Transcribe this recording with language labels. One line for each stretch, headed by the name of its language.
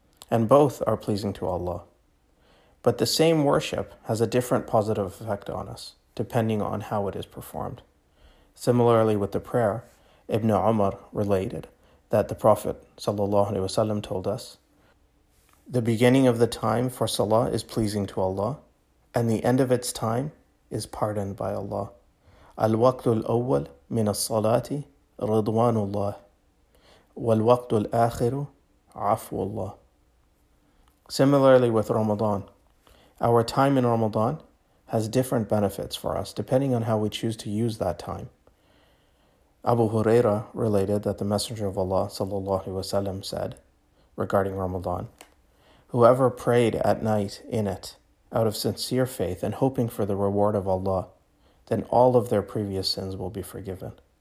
English: And both are pleasing to Allah. But the same worship has a different positive effect on us, depending on how it is performed. Similarly with the prayer, Ibn Umar related that the Prophet ﷺ told us, the beginning of the time for salah is pleasing to Allah, and the end of its time is pardoned by Allah.
Arabic: الوقت الأول من الصلاة رضوان الله والوقت الآخر عفو الله.
English: Similarly with Ramadan, our time in Ramadan has different benefits for us depending on how we choose to use that time. Abu Huraira related that the Messenger of Allah sallallahu alaihi wasallam said regarding Ramadan, whoever prayed at night in it out of sincere faith and hoping for the reward of Allah, then all of their previous sins will be forgiven.